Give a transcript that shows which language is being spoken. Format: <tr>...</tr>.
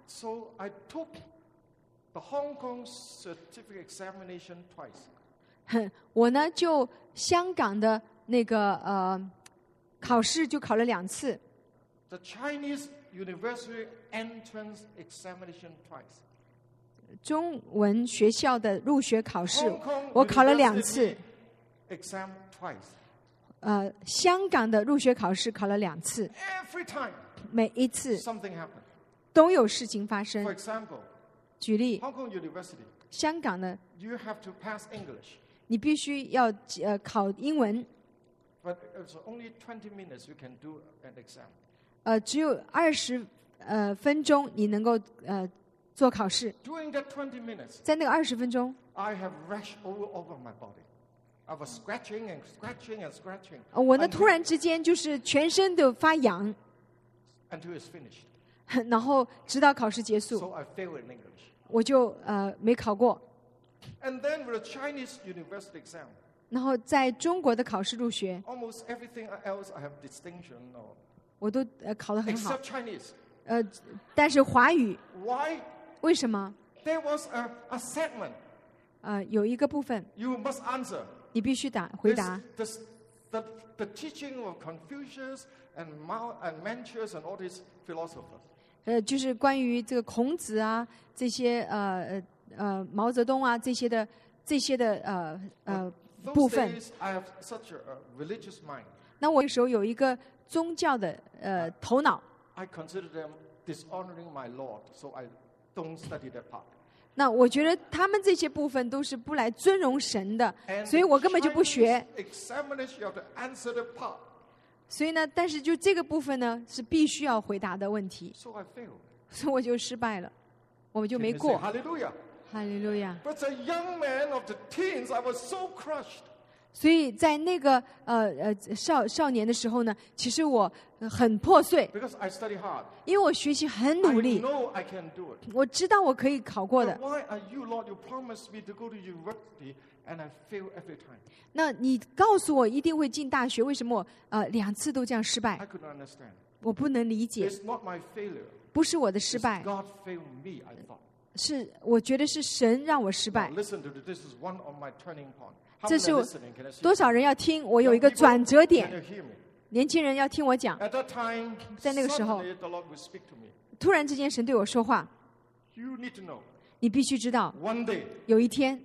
<en>So I took the Hong Kong certificate examination twice.</en> <zh>我呢就香港的那个考试就考了两次。</zh> <en>The Chinese university entrance examination twice.</en> <zh>中文学校的入学考试我考了两次。</zh> <en>Exam twice.</en> <zh>香港的入学考试考了两次。</zh> <en>Every time.</en> <zh>每一次。</zh> <en>Something happened.</en> <zh>都有事情发生。</zh> <en>For example.</en> <zh>举例</zh> <en>Hong Kong University,</en> <zh>香港呢</zh> <en>you have to pass English.</en> <zh>你必须要考英文</zh> <en>But it's only 20 minutes you can do an exam.</en> <zh>只有20分钟你能够做考试</zh> <en>During that 20 minutes,</en> <zh>在那个20分钟</zh> <en>I have rashed all over my body. I was scratching and scratching and scratching.</en> <zh>我呢突然之间就是全身都发痒</zh> <en>Until it's finished.</en> <zh>然后直到考试结束</zh> <en>So I failed in English.</en> <zh>我就没考过。</zh> <en>And then with a Chinese university exam,</en> <zh>然后在中国的考试入学</zh> <en>almost everything else I have distinction or,</en> <zh>我都考得很好</zh> <en>except Chinese.</en> <zh>但是华语</zh> <en>Why?</en> <zh>为什么</zh> <en>There was a segment.</en> <zh>有一个部分</zh> <en>You must answer.</en> <zh>你必须回答</zh> <en>the teaching of Confucius and Mao and Mencius and all these philosophers.</en> <zh>就是关于这个孔子啊，这些毛泽东啊，这些的部分。</zh> <en>I have such a religious mind.</en> <zh>那我那时候有一个宗教的头脑。</zh> <en>I consider them dishonoring my Lord, so I don't study that part.</en> <zh>那我觉得他们这些部分都是不来尊荣神的，所以我根本就不学。</zh> <en>Examination of the answer the part.</en> <zh>所以呢，但是就这个部分呢，是必须要回答的问题。</zh> <en>So I failed.</en> <zh>所以我就失败了，我们就没过。</zh> <en>Hallelujah. Hallelujah. But a young man of the teens, I was so crushed.</en> <zh>所以在那个少年的时候呢，其实我很破碎。</zh> <en>Because I study hard.</en> <zh>因为我学习很努力。</zh> <en>I know I can do it.</en> <zh>我知道我可以考过的。</zh> <en>But why are you, Lord? You promised me to go to university. And I fail every time.</en> <zh>那你告诉我一定会进大学，为什么两次都这样失败？</zh> <en>I couldn't understand.</en> <zh>我不能理解。</zh> <en>It's not my failure.</en> <zh>不是我的失败。</zh> <en>It's God failed me, I thought.</en> <zh>是我觉得是神让我失败。</zh> <en>Now, listen to this. This is one of my turning point.</en> <zh>这是多少人要听？我有一个转折点。年轻人要听我讲。</zh> <en>At that time,</en> <zh>在那个时候</zh> <en>suddenly, the Lord will speak to me.</en> <zh>突然之间神对我说话。</zh> <en>You need to know.</en> <zh>你必须知道</zh> <en>One day,</en> <zh>有一天</zh>